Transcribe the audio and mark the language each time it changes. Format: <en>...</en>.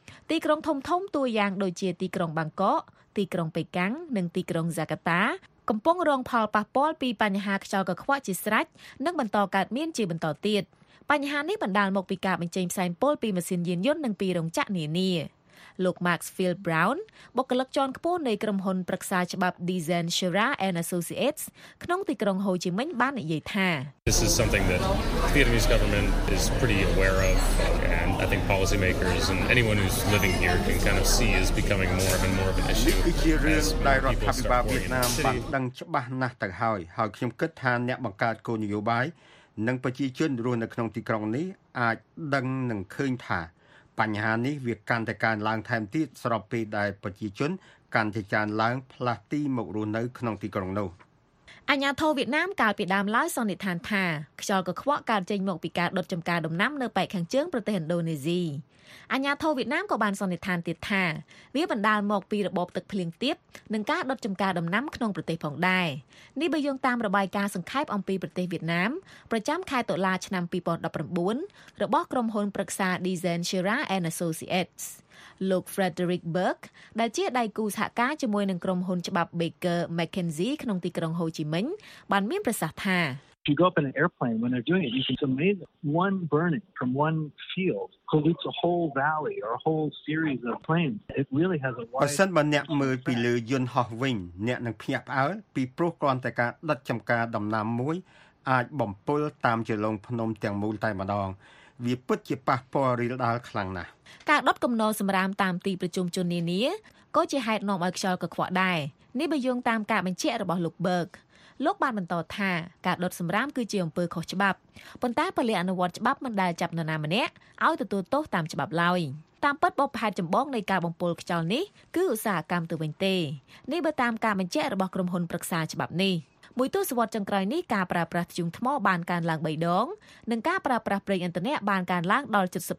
<km>ទីក្រុងធំៗតួយ៉ាងដូចជាទីក្រុងបាងកកទីក្រុងប៉េកាំងនិងទីក្រុងហ្សាកាតាកំពុងរងផលប៉ះពាល់ពីបញ្ហាខ្យល់កខ្វក់ជាស្រេចនិងបន្តកើតមានជាបន្តទៀតបញ្ហានេះបណ្ដាលមកពីការបញ្ចេញផ្សែងពុលពីម៉ាស៊ីនយានយន្តនិងពីរោងចក្រនានាលោក Max Field Brown បុគ្គលិកជាន់ខ្ពស់នៃក្រុមហ៊ុនប្រឹក្សាច្បាប់ Design Shira and Associates ក្នុងទីក្រុង Ho Chi Minh បាននិយាយថា</km> <en>This is something that the Vietnamese government is pretty aware of and I think policymakers and anyone who's living here can kind of see is becoming more and more of an issue.</en> <km>គឺជារឿងដែលរដ្ឋាភិបាលវៀតណាមបានដឹងច្បាស់ណាស់ទៅហើយហើយខ្ញុំគិតថាអ្នកបង្កើតគោលនយោបាយនិងប្រជាជនរស់នៅក្នុងទីក្រុងនេះអាចដឹងនិងឃើញថាបញ្ហានេះវាកាន់តែកើនឡើងថែមទៀតស្របពេលដែលប្រជាជនកាន់តែច្រើនឡើងផ្លាស់ទីមករស់នៅក្នុងទីក្រុងនោះ អាញាធរវៀតណាមកាលពីដើមឡើយសន្និដ្ឋានថាខ្យល់កខ្វក់កើតចេញមកពីការដុតចម្ការដំណាំនៅប៉ែកខាងជើងប្រទេសឥណ្ឌូនេស៊ី អាញាធរវៀតណាមក៏បានសន្និដ្ឋានទៀតថាវាបណ្ដាលមកពីរបបទឹកភ្លៀងទាបនិងការដុតចម្ការដំណាំក្នុងប្រទេសផងដែរនេះបើយោងតាមរបាយការណ៍សង្ខេបអំពីប្រទេសវៀតណាមប្រចាំខែតុលាឆ្នាំ2019របស់ក្រុមហ៊ុនប្រឹក្សា Design Shira and Associates លោក Frederick Burke ដែលជាដៃគូសហការជាមួយនឹងក្រុមហ៊ុនច្បាប់ Baker McKenzie ក្នុងទីក្រុង Ho Chi Minh បានមានប្រសាសន៍ថា</km> <en>If you go up in an airplane when they're doing it, you can see amazing. One burning from one field pollutes a whole valley or a whole series of planes. It really has a wide...</en> <km>បើសិនបើអ្នកមើលពីលើយន្តហោះវិញអ្នកនឹងភ្ញាក់ផ្អើលពីព្រោះគ្រាន់តែការដុតចំការដំណាំមួយអាចបំពុលតាមជាលងភ្នំទាំងមូលតែម្ដងវាពិតជាប៉ះពាល់រីលដាល់ខ្លាំងណាស់ការដុតកំណរសម្រាមតាមទីប្រជុំជននានាក៏ជាហេតុនាំឲ្យខ្យល់កខ្វក់ដែរនេះបើយោងតាមការបញ្ជាក់របស់លោកបឺកលោកបានបន្តថាការដុតសម្រាមគឺជាអំពើខុសច្បាប់ប៉ុន្តែពលិអនុវត្តច្បាប់មិនដែលចាប់នរណាម្នាក់ឲ្យទទួលទោសតាមច្បាប់ឡើយតាមពិតបបផែនចម្បងនៃការបំពុលខ្យល់នេះគឺឧស្សាហកម្មទៅវិញទេនេះបើតាមការបញ្ជាក់របស់ក្រុមហ៊ុនប្រឹក្សាច្បាប់នេះមួយទស្សវត្សចុងក្រោយនេះការប្រើប្រាស់ធ្យូងថ្មបានកើនឡើង3ដងនិងការប្រើប្រាស់ប្រេងឥន្ធនៈបានកើនឡើងដល់</km>